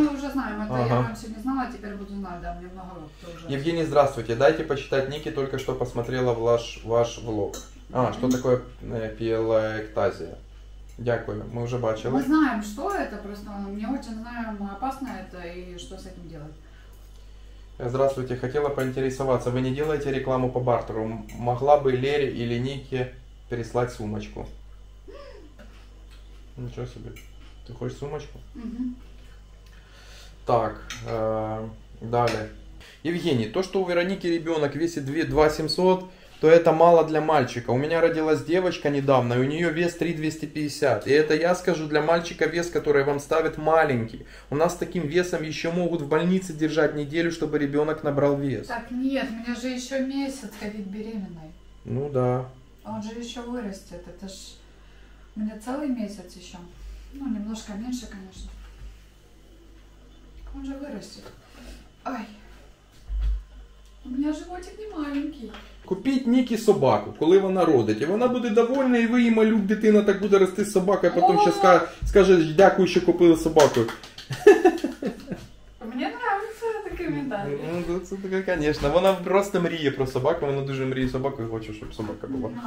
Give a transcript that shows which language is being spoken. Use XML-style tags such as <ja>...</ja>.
<uk>Ми вже знаємо, це ага. Я вам сьогодні знала, тепер буду знати, да, мені багато вже. Євгеній, здравствуйте, дайте почитати, Ніки тільки що посмотрела ваш влог. А, що таке піелектазія? Дякую, ми вже бачили. Ми знаємо, що це, просто ми дуже знаємо, опасно це і що з цим робити.</uk> <ru>Здравствуйте, хотела поинтересоваться, вы не делаете рекламу по бартеру? Могла бы Лере или Нике переслать сумочку? Ничего себе, ты хочешь сумочку? Угу. Так, далее. Евгений, то, что у Вероники ребенок весит 2700, то это мало для мальчика. У меня родилась девочка недавно, и у нее вес 3250. И это я скажу для мальчика вес, который вам ставят маленький. У нас с таким весом еще могут в больнице держать неделю, чтобы ребенок набрал вес. Так нет, у меня же еще месяц, ковид беременной. Ну да. Он же еще вырастет. Это ж у меня целый месяц еще. Ну, немножко меньше, конечно. Он же вырастет. Ай. У меня животик не маленький.</ru> <uk>Купіть Нікі собаку, коли вона родить, і вона буде довольна, і ви її малюк, дитина так буде рости з собакою, а потім ще скаже, дякую, що купили собаку. Мені подобається такий ментальний. Ну, це таке, звісно. Вона просто мріє про собаку, вона дуже мріє собакою, хоче, щоб собака була.</uk>